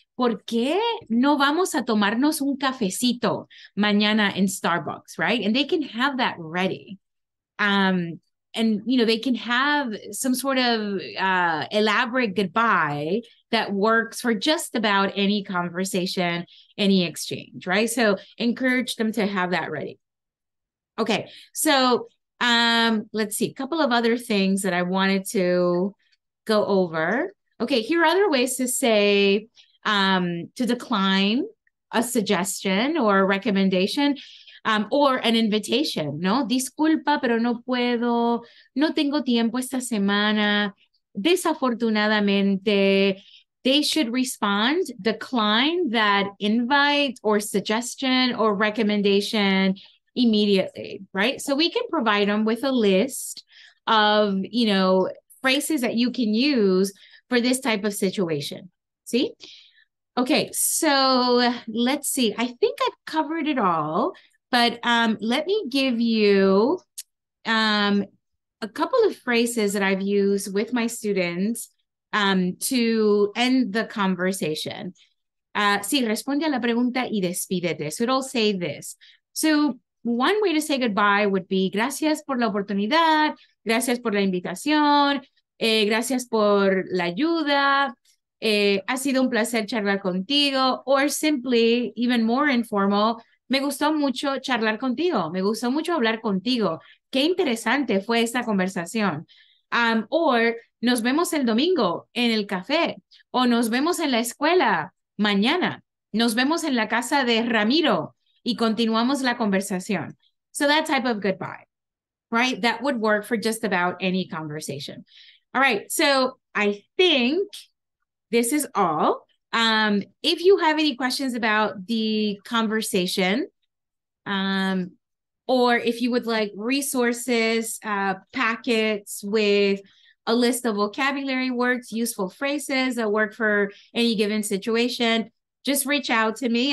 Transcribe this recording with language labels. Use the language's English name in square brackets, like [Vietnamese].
[Spanish] ¿Por qué no vamos a tomarnos un cafecito mañana [English] in [Spanish] Starbucks, right? [English] And they can have that ready. And, you know, they can have some sort of elaborate goodbye that works for just about any conversation, any exchange, right? So encourage them to have that ready. Okay, so let's see, a couple of other things that I wanted to go over. Okay, here are other ways to say, to decline a suggestion or a recommendation or an invitation, no? [Spanish] Disculpa, pero no puedo, no tengo tiempo esta semana, desafortunadamente. [English] They should respond, decline that invite or suggestion or recommendation immediately, right? So we can provide them with a list of, you know, phrases that you can use for this type of situation. See? Okay, so let's see. I think I've covered it all, but let me give you a couple of phrases that I've used with my students to end the conversation. [Spanish] Sí, responde a la pregunta y despídete. [English] So it'll say this. So one way to say goodbye would be [Spanish] gracias por la oportunidad, gracias por la invitación, gracias por la ayuda, ha sido un placer charlar contigo, [English] or simply, even more informal, [Spanish] me gustó mucho charlar contigo, me gustó mucho hablar contigo, qué interesante fue esta conversación. Or nos vemos el domingo en el café, o nos vemos en la escuela mañana, nos vemos en la casa de Ramiro, y continuamos la conversación. [English] So that type of goodbye, right? That would work for just about any conversation. All right, so I think this is all. If you have any questions about the conversation, or if you would like resources, packets with a list of vocabulary words, useful phrases that work for any given situation, just reach out to me.